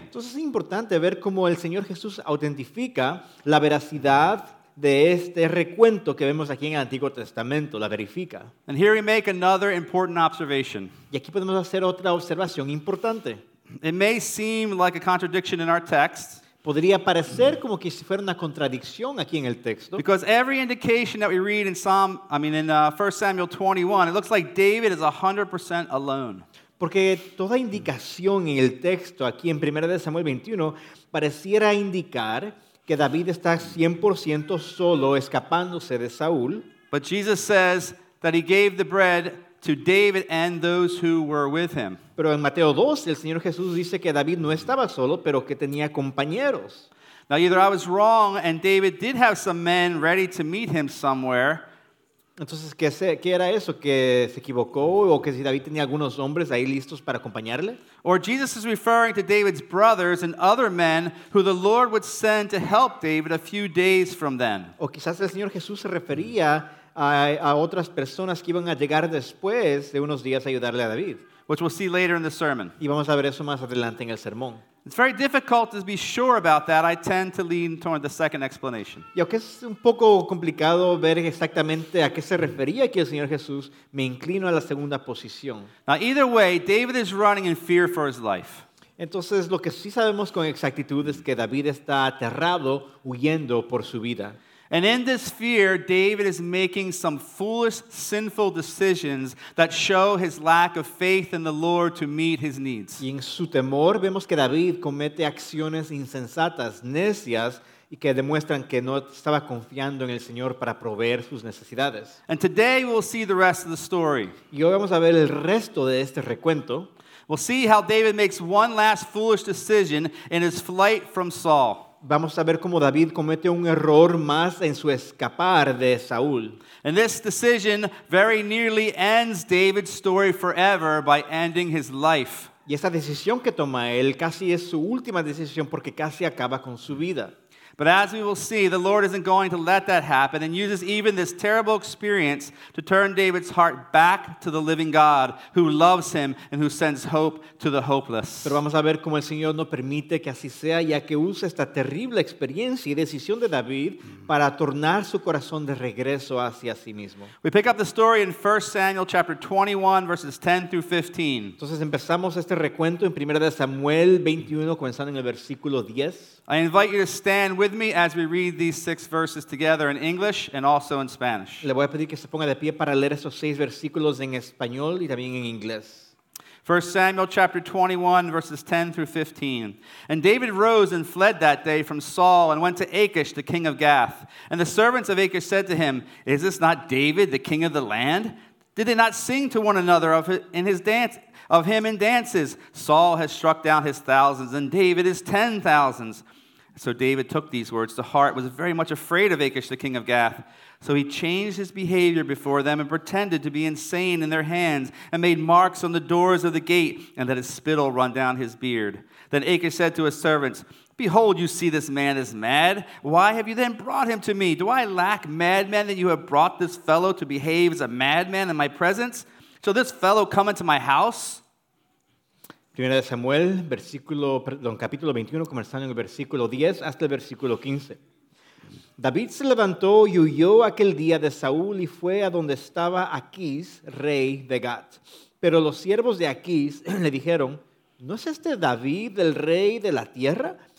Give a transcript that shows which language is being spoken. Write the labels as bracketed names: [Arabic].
[Spanish] Entonces es importante ver cómo el Señor Jesús autentifica la veracidad de este recuento que vemos aquí en el Antiguo Testamento, la verifica. [English] And here we make another important observation. [Spanish] Y aquí podemos hacer otra observación importante. [English] It may seem like a contradiction in our text. [Spanish] Podría parecer como que si fuera una contradicción aquí en el texto. [English] Because every indication that we read in 1 Samuel 21, it looks like David is 100% alone. [Spanish] Porque toda indicación en el texto aquí en 1 Samuel 21 pareciera indicar que David está 100% solo escapándose de Saúl. [English] But Jesus says that he gave the bread to David and those who were with him. [Spanish] Pero en Mateo 2, el Señor Jesús dice que David no estaba solo, pero que tenía compañeros. [English] Now either I was wrong and David did have some men ready to meet him somewhere. [Spanish] Entonces, ¿qué era eso? ¿Que se equivocó o que si David tenía algunos hombres ahí listos para acompañarle? [English] Or Jesus is referring to David's brothers and other men who the Lord would send to help David a few days from then. [Spanish] O quizás el Señor Jesús se refería a otras personas que iban a llegar después de unos días a ayudarle a David. [English] Which we'll see later in the sermon. [Spanish] Y vamos a ver eso más adelante en el sermón. [English] It's very difficult to be sure about that. I tend to lean toward the second explanation. [Spanish] Y aunque es un poco complicado ver exactamente a qué se refería aquí el Señor Jesús, me inclino a la segunda posición. [English] Now, either way, David is running in fear for his life. [Spanish] Entonces, lo que sí sabemos con exactitud es que David está aterrado, huyendo por su vida. [English] And in this fear, David is making some foolish, sinful decisions that show his lack of faith in the Lord to meet his needs. [Spanish] Y en su temor, vemos que David comete acciones insensatas, necias, y que demuestran que no estaba confiando en el Señor para proveer sus necesidades. [English] And today we'll see the rest of the story. [Spanish] Y hoy vamos a ver el resto de este recuento. [English] We'll see how David makes one last foolish decision in his flight from Saul. [Spanish] Vamos a ver cómo David comete un error más en su escapar de Saúl. [English] And this decision very nearly ends David's story forever by ending his life. [Spanish] Y esa decisión que toma él casi es su última decisión porque casi acaba con su vida. [English] But as we will see, the Lord isn't going to let that happen and uses even this terrible experience to turn David's heart back to the living God who loves him and who sends hope to the hopeless. [Spanish] Pero vamos a ver cómo el Señor no permite que así sea, ya que usa esta terrible experiencia y decisión de David para tornar su corazón de regreso hacia sí mismo. [English] We pick up the story in 1 Samuel chapter 21 verses 10 through 15. [Spanish] Entonces empezamos este recuento en 1 Samuel 21 comenzando en el versículo 10. [English] I invite you to stand with me as we read these six verses together in English and also in Spanish. [Spanish] Le voy a pedir que se ponga de pie para leer esos seis versículos en español y también en inglés. [English] 1 Samuel chapter 21 verses 10 through 15. And David rose and fled that day from Saul and went to Achish the king of Gath. And the servants of Achish said to him, "Is this not David the king of the land? Did they not sing to one another of him in dances? Saul has struck down his thousands and David his 10,000s." So David took these words to heart, was very much afraid of Achish, the king of Gath. So he changed his behavior before them and pretended to be insane in their hands and made marks on the doors of the gate and let his spittle run down his beard. Then Achish said to his servants, "Behold, you see this man is mad. Why have you then brought him to me? Do I lack madmen that you have brought this fellow to behave as a madman in my presence? Shall this fellow come into my house?" [Spanish] 1 Samuel, capítulo 21, comenzando en el versículo 10 hasta el versículo 15. David se levantó y huyó aquel día de Saúl y fue a donde estaba Aquís, rey de Gat. Pero los siervos de Aquís le dijeron, "¿No es este David el rey de la tierra?"